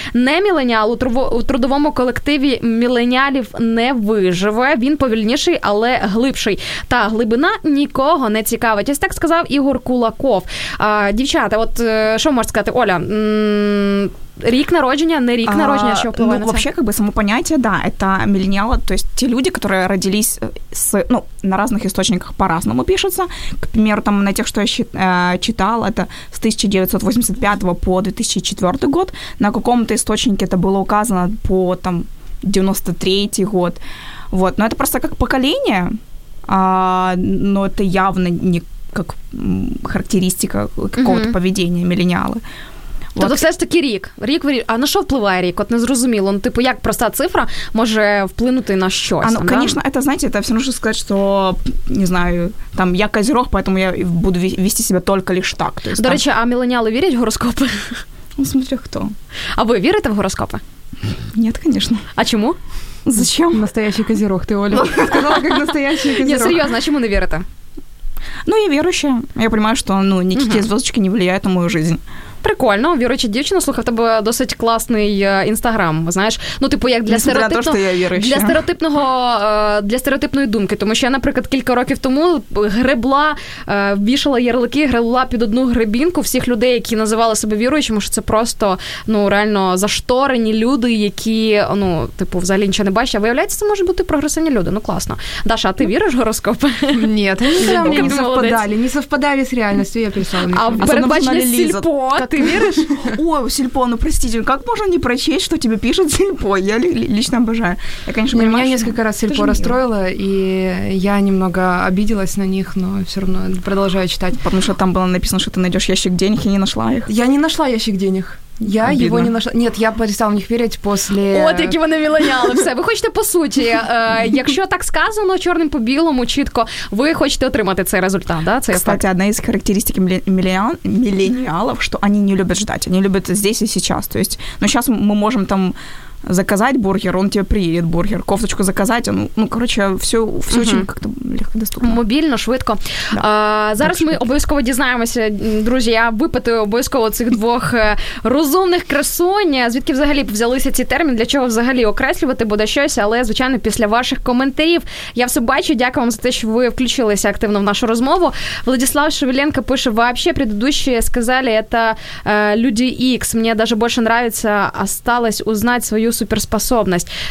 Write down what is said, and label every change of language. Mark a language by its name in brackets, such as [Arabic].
[Ukrainian] Не міленіал у трудовому колективі міленіалів не виживе. Він повільніший, але глибший. Та глибина нікого не цікавить. Ось так сказав Ігор Кулаков. Дівчата, от що можна сказати? Оля, рік народження, не рік народження, що впливає на це? [Russian] Ну, вообще, как бы, само поняття, да, это миллениалы, то есть те люди, которые родились с, ну, на разных источниках по-разному пишутся. К примеру, там, на тех, что я читал, это с 1985 по 2004 год. На каком-то источнике это было указано по, там, 93-й год. Вот. Но это просто как поколение, но это явно не как характеристика какого-то поведения миллениалы. [Ukrainian] Тобто все ж таки рік. Рік в рік. А на що впливає рік? От незрозуміло. Ну, типу, як проста цифра може вплинути на щось? Ну, звісно, це, знаєте, це все одно, що сказати, що, не знаю, там, я козерог, тому я буду вести себе тільки лише так. То есть, до речі, а міленіали вірять в гороскопи? [Russian] Ну, смотря хто. [Ukrainian] А ви вірите в гороскопи? Ні, звісно. А чому? [Russian] Зачем? Настоящий козерог, [Ukrainian] ти, Оля. Сказала, як настоящий козерог. Ні, серйозно, а чому не вірите? [Russian] Ну, я верующая. Я понимаю, что, ну, никакие звездочки не влияют на мою жизнь. Прикольно. [Ukrainian] Верующая девчина, слухай, в тебе досить класний інстаграм, знаєш. Ну, типу, як для стереотипного... [Russian] Несмотря на то, что я [Ukrainian] для стереотипного... Для стереотипної думки. Тому що я, наприклад, кілька років тому гребла, вішала ярлики, гребла під одну гребінку всіх людей, які називали себе віруючими, що це просто, ну, реально зашторені люди, які, ну, типу, взагалі нічого не бачать. А виявляється, це можуть бути прогресивні люди. Ну, класно. Даша, а ти віриш в гороскопи? [Russian] Ні, не совпадали с реальностью, я перестала. А предбачення Сільпо, ты веришь? О, Сільпо, ну простите, как можно не прочесть, что тебе пишет Сільпо? Я лично обожаю. Я, конечно, понимаю, меня несколько раз Сільпо расстроило, и я немного обиделась на них, но все равно продолжаю читать. Потому что там было написано, что ты найдешь ящик денег, и не нашла их. Я не нашла ящик денег. Я его не нашла. Нет, я перестала в них верить после... [Ukrainian] От, які вони міленіали, все. Ви хочете, по суті, якщо так сказано, чорним по білому, чітко, ви хочете отримати цей результат, да? Це кстати, одна із характеристик міленіалів, що вони не люблять ждати. Вони люблять [Russian] здесь і сейчас. То есть, ну, сейчас [Ukrainian] ми можемо там [Russian] заказать бургер, он тебе приедет бургер. Кофточку заказать, он, ну, короче, все, все угу. очень как-то легко доступно. [Ukrainian] Мобильно, швидко. Да. Зараз так, ми обов'язково дізнаємося, друзі, я випитую обов'язково цих двох розумних красунь. Звідки взагалі взялися ці терміни, для чого взагалі окреслювати буде щось, але, звичайно, після ваших коментарів я все бачу. Дякую вам за те, що ви включилися активно в нашу розмову. [Russian] Владислав Шевеленко пише, вообще, предыдущие сказали, это люди X. Мне даже больше нравится осталось узнать свою суперспособность.